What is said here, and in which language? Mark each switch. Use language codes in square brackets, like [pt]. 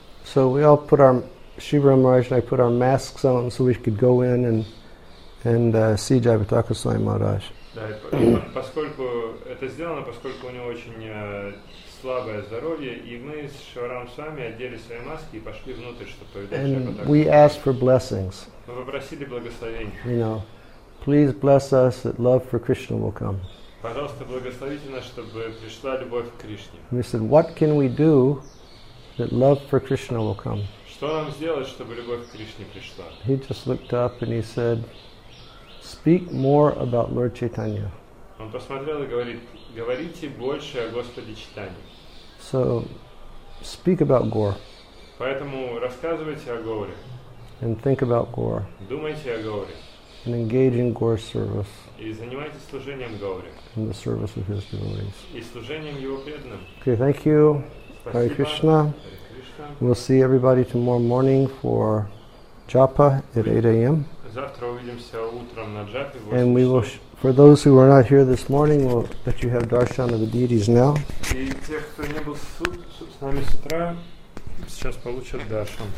[en] So we all put our, Shivram Maharaj and I put our masks on so we could go in and see Jayapataka Swami Maharaj. [ru] Да, поскольку это сделано, поскольку у него очень слабое здоровье, и мы с Шварам Свами одели свои маски и пошли внутрь, чтобы повидать Джаяпатака. [en] And we asked for blessings. You know, please bless us that love for Krishna will come. [ru] Пожалуйста, благословите нас, чтобы пришла любовь к Кришне. [en] We said, what can we do that love for Krishna will come? [ru] Что нам сделать, чтобы любовь к Кришне пришла? [en] He just looked up and he said, speak more about Lord Chaitanya. [ru] Он посмотрел и говорит, говорите больше о Господе Чайтанье. [en] So, speak about Gaur. [ru] Поэтому рассказывайте о Гауре. [en] And think about Gaur. [ru] Думайте о Гауре. [en] And engage in Gaur's service. [ru] И занимайтесь служением Гауре. [en] And the service of his devotees. [ru] И служением его преданным. [en] Okay, thank you. [ru] Спасибо. [sa] Hare Krishna. [en] We'll see everybody tomorrow morning for Japa at 8 a.m. [ru] Завтра увидимся утром на Джапе. [en] And we will, for those who are not here this morning, we'll let you have darshan of the deities now. [ru] И те, кто не был с нами с утра, сейчас получат даршан.